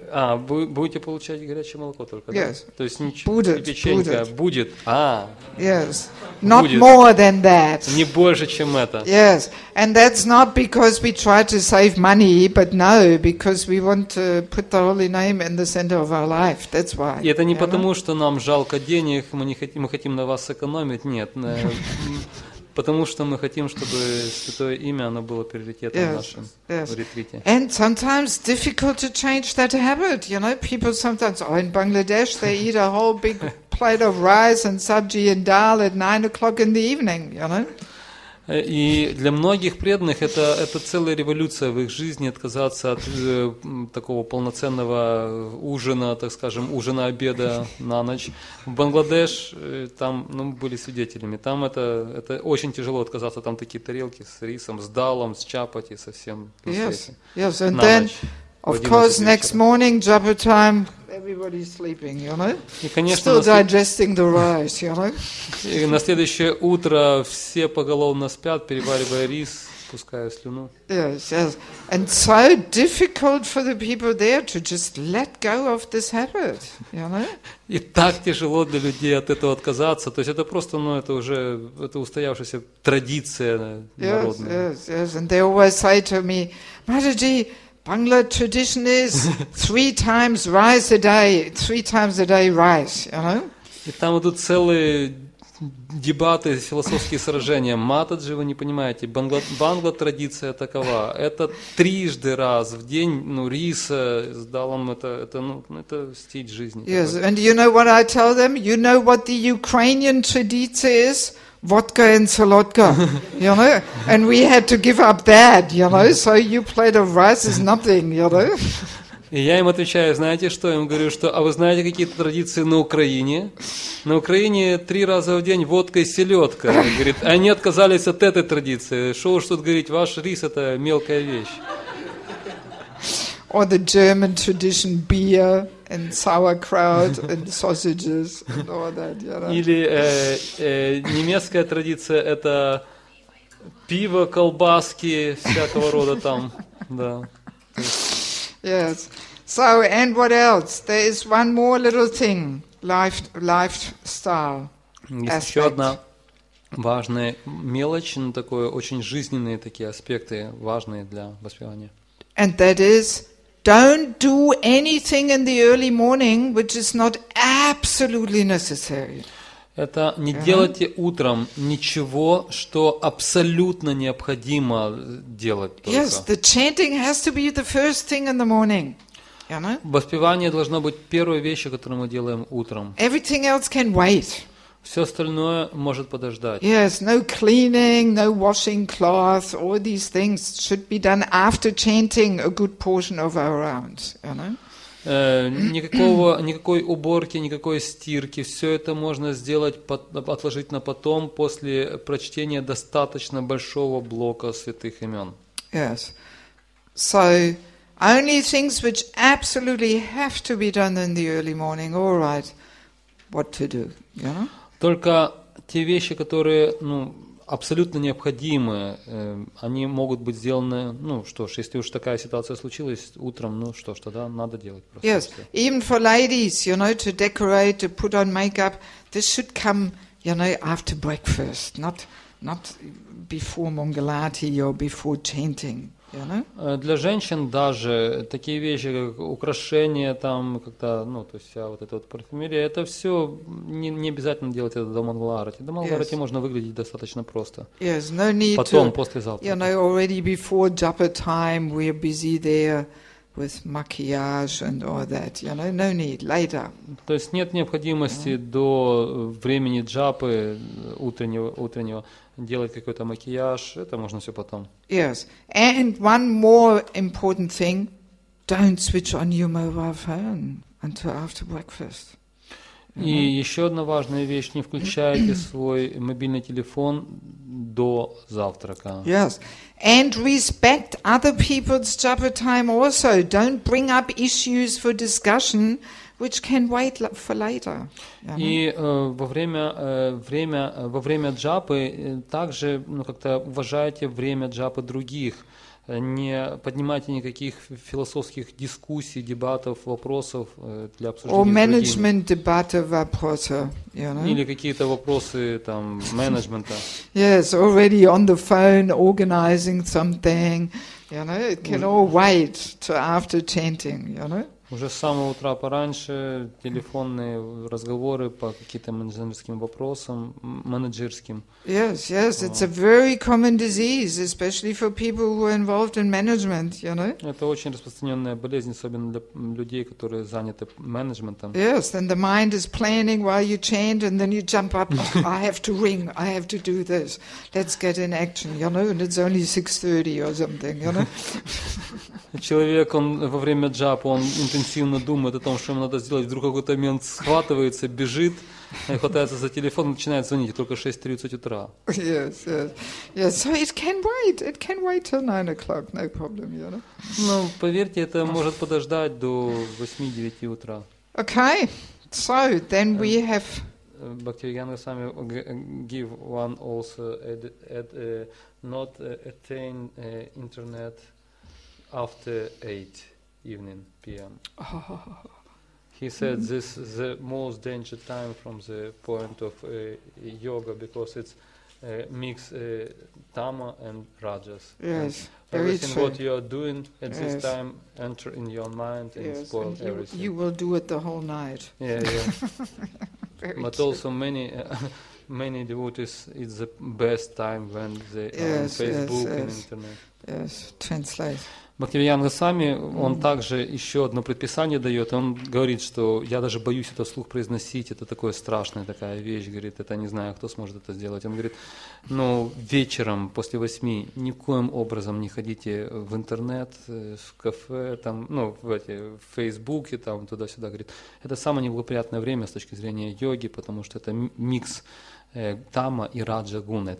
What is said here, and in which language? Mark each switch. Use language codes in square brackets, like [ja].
[ru] А будете получать горячее молоко только? [en] Yes. [ru] Да? То есть ничего, печенька будет. А. [en] Yes. Not [ru] будет. [en] More than that. [ru] Не больше, чем это. [en] Yes. And that's not because we try to save money, but no, because we want to put the holy name in the center of our life. That's why. [ru] И это не потому, что нам жалко денег, мы хотим на вас сэкономить. Нет. Потому что мы хотим, чтобы святое имя оно было приоритетом нашим в ретрите. [en] And sometimes difficult to change that habit, you know. People sometimes, oh, in Bangladesh, they eat a whole big plate of rice and sabji and dal at 9 o'clock in the evening, you know. [ru] И для многих преданных это целая революция в их жизни отказаться от такого полноценного ужина, так скажем, ужина-обеда на ночь. В Бангладеш, там, ну, были свидетелями, там это очень тяжело отказаться, там такие тарелки с рисом, с далом, с чапати, со всем. [en] Yes, yes, and then, of course, next morning, japa time. Everybody's sleeping, you know. [ru] И, конечно, [en] still digesting the rice, you know. [ru] И на следующее утро все поголовно спят, переваривая рис, пуская слюну. [en] Yes, yes. And so difficult for the people there to just let go of this habit, you know. [ru] И так тяжело для людей от этого отказаться. То есть это просто, ну, это уже это устоявшаяся традиция народная. [en] Yes, yes, yes. And they always say to me, Mataji, Bangla tradition is three times rice a day, three times a day rice, you know? [ru] И там идут целые дебаты, философские сражения. Матаджи, вы не понимаете, Бангла традиция такова. Это трижды раз в день, ну, риса с далом, это стиль жизни. [en] Yes, [ru] такой. [en] And you know what I tell them? You know what the Ukrainian tradition is? Vodka and salotka, you know, and we had to give up that, you know, so your plate of rice is nothing, you know. [ru] И я им отвечаю, знаете что, я им говорю, что, а вы знаете какие-то традиции на Украине? На Украине три раза в день водка и селедка. Говорит, они отказались от этой традиции. Что уж тут говорить, ваш рис это мелкая вещь. [en] Or the German tradition beer. And sauerkraut and sausages and all that, you know. [ru] Или немецкая традиция это пиво, колбаски всякого рода там, да. [en] Yes. So and what else? There is one more little thing. Lifestyle. [ru] Есть еще одна важная мелочь, но такое очень жизненные такие аспекты важные для воспевания. [en] And that is. Don't do anything in the early morning which is not absolutely necessary. [ru] Это не делайте утром ничего, что абсолютно необходимо делать только. [en] Yes, the chanting has to be the first thing in the morning. You know? [ru] Воспевание должно быть первой вещью, которую мы делаем утром. [en] Everything else can wait. [ru] Все остальное может подождать. [en] Yes, no cleaning, no washing cloth, all these things should be done after chanting a good portion of our round, you know? [ru] Никакой уборки, никакой стирки, все это можно сделать, отложить на потом, после прочтения достаточно большого блока святых имен. [en] Yes. So, only things which absolutely have to be done in the early morning, all right, what to do, you know? [ru] Только те вещи, которые, ну, абсолютно необходимы, они могут быть сделаны, ну, что ж, если уж такая ситуация случилась утром, ну, что ж, тогда надо делать просто. [en] Yes, even for ladies, you know, to decorate, to put on makeup, this should come, you know, after breakfast, not before Mangalarti or before chanting. [ru] Для женщин даже такие вещи, как украшения, там, когда, ну, то есть вся вот эта вот парфюмерия, это все не обязательно делать это до Мангаларати. До Мангаларати [en] yes. [ru] можно выглядеть достаточно просто. [en] Yes, no need [ru] потом, [en] to, [ru] после завтрака. [en] You know, already before japa time, we're busy there with makiyaj and all that. You know, no need, later. [ru] То есть нет необходимости [en] yeah. [ru] до времени джапы утреннего. Делать какой-то макияж, это можно все потом. [en] Yes. And one more important thing, don't switch on your mobile phone until after breakfast. [ru] И еще одна важная вещь, не включайте свой мобильный телефон до завтрака. [en] Yes. And respect other people's japa time also. Don't bring up issues for discussion which can wait for later. [ru] И во время джапы также, ну, как-то уважайте время джапы других. Не поднимайте никаких философских дискуссий, дебатов, вопросов для обсуждения. [en] Or management debate [ru] вопросы, [en] you know? [ru] Или какие-то вопросы там менеджмента. [en] Yes, already on the phone organizing something, you know, it can all wait to after chanting, you know? [ru] Уже с самого утра пораньше телефонные разговоры по каким-то менеджерским вопросам. [en] Yes, yes, it's a very common disease, especially for people who are involved in management, you know. [ru] Это очень распространенная болезнь, особенно для людей, которые заняты менеджментом. [en] Yes, and the mind is planning while you chant, and then you jump up. I have to ring. I have to do this. Let's get in action, you know. And it's only 6:30 or something, you know. [ru] Человек, он во время джапа, он интенсивно думает о том, что ему надо сделать. Вдруг какой-то момент схватывается, бежит, хватается за телефон, начинает звонить. Только 6:30 утра. [en] Yes, yes, yes. So it can wait. It can wait till 9 o'clock. No problem, you know. [ru] Ну, поверьте, это может подождать до 8-9 утра. [en] Okay. So then we have. Bhaktivedanta Swami give one also not attain internet. After 8 evening p.m. He said this is the most dangerous time from the point of yoga because it's mix tama and rajas. Yes, and everything what you are doing at yes. this time enter in your mind and yes, spoil and everything. You will do it the whole night. Yeah, yeah. Very but true. Also many devotees, it's the best time when they yes, are on Facebook yes, and yes. internet. Yes, translate. [ru] Бхактивиданта Свами, он также еще одно предписание дает, он говорит, что я даже боюсь это вслух произносить, это такое страшное, такая вещь, говорит, это не знаю, кто сможет это сделать. Он говорит, но вечером после 8 никоим образом не ходите в интернет, в кафе, там, ну, в Фейсбуке, там, туда-сюда, говорит, это самое неблагоприятное время с точки зрения йоги, потому что это микс тама и раджа гуна.